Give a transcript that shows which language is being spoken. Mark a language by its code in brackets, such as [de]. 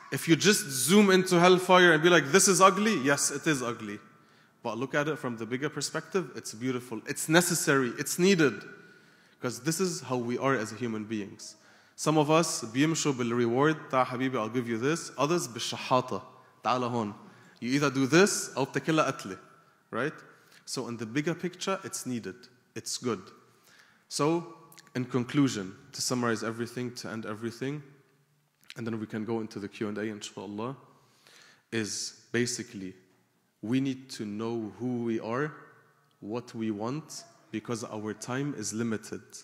[en] If you just zoom into hellfire and be like, this is ugly, yes, it is ugly. But look at it from the bigger perspective, it's beautiful, it's necessary, it's needed. Because this is how we are as human beings. Some of us, [ar] بيمشوا [en] بالreward, [ar] تعال حبيبي, [en] I'll give you this. Others, [ar] بالشحاطة, تعال هون. [en] You either do this, [ar] أو بتكلها قتلة, [en] right? So in the bigger picture, it's needed, it's good. So, in conclusion, to summarize everything, to end everything, and then we can go into the Q&A, inshallah, is basically, we need to know who we are, what we want, because our time is limited.